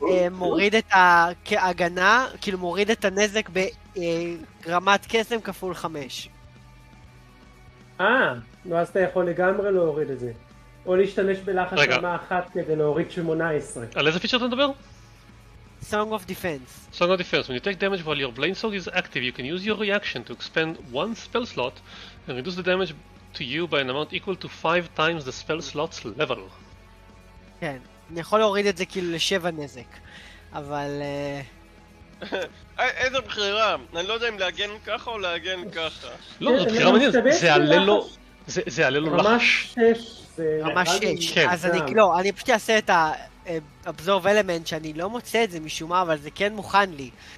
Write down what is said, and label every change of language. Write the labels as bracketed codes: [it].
[he] מוריד את ההגנה, כאילו מוריד את הנזק ברמת קסם כפול 5. אז אתה יכול לגמרי להוריד את זה. או להשתמש בלחש רמה אחת כדי להוריד 18. על איזה פיצ'ר אתה מדבר? [en] Song of Defense. Song of Defense. When you take damage while your Blade Song is active, you can use your reaction to expend one spell slot and reduce the damage to you by an amount equal to 5 times the spell slot's level. [he] כן. אני יכול להוריד את זה כאילו לשבע נזק. אבל... איזה בחירה? אני לא יודע אם להגן ככה או להגן ככה. לא, זו בחירה מעניינת. זה עלה לו... זה עלה לו לחש. ממש שש. אז אני... לא, אני פשוט אעשה את האבזורב אלמנט שאני לא מוצא את זה משום מה, אבל זה כן מוכן לי.